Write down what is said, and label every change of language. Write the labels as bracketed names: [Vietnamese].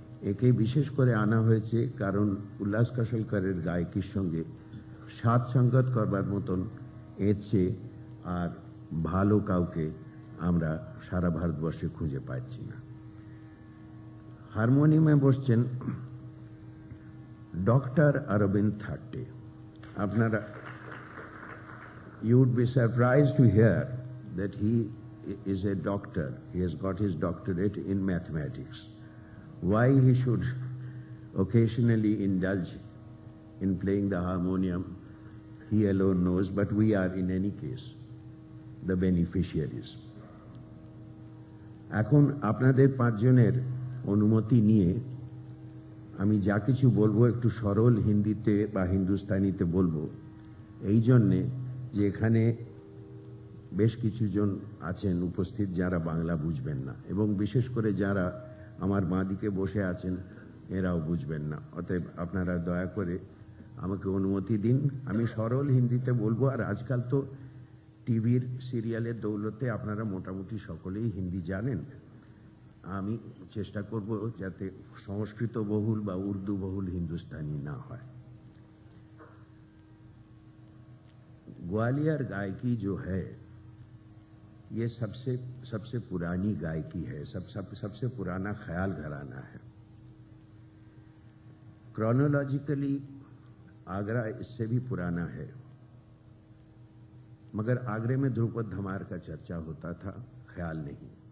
[Bangla] একে বিশেষ করে আনা হয়েছে কারণ উল্লাস কুশলকরের গায়কির সঙ্গে সাত সঙ্গত করবার মতন এর চেয়ে আর ভালো কাউকে আমরা সারা ভারতবর্ষে খুঁজে পাচ্ছি না। হারমোনিয়ামে বসছেন ডক্টর অরবিন্দ থাট্টে। আপনারা [English] You'd be surprised to hear that he is a doctor. He has got his doctorate in mathematics. Why he should occasionally indulge in playing the harmonium, he alone knows, but we are in any case the beneficiaries. [Bangla] এখন আপনাদের পাঁচজনের অনুমতি নিয়ে আমি যা কিছু বলবো একটু সরল হিন্দিতে বা হিন্দুস্তানিতে বলবো, এই জন্যে যে এখানে বেশ কিছু জন আছেন উপস্থিত যারা বাংলা বুঝবেন না, এবং বিশেষ করে যারা আমার বাঁ দিকে বসে আছেন এরাও বুঝবেন না। অতএব আপনারা দয়া করে আমাকে অনুমতি দিন, আমি সরল হিন্দিতে বলবো। আর আজকাল তো টিভির সিরিয়ালের দৌলতে আপনারা মোটামুটি সকলেই হিন্দি জানেন। আমি চেষ্টা করব যাতে সংস্কৃত বহুল বা উর্দু বহুল হিন্দুস্তানি না হয়। [Hindi] গোয়ালিয়র গায়কি জো হ্যায় ये सबसे सबसे पुरानी गायकी है, सबसे पुराना ख्याल घराना है। क्रोनोलॉजिकली आगरा इससे भी पुराना है, मगर आगरे में ध्रुपद धमार का चर्चा होता था, ख्याल नहीं।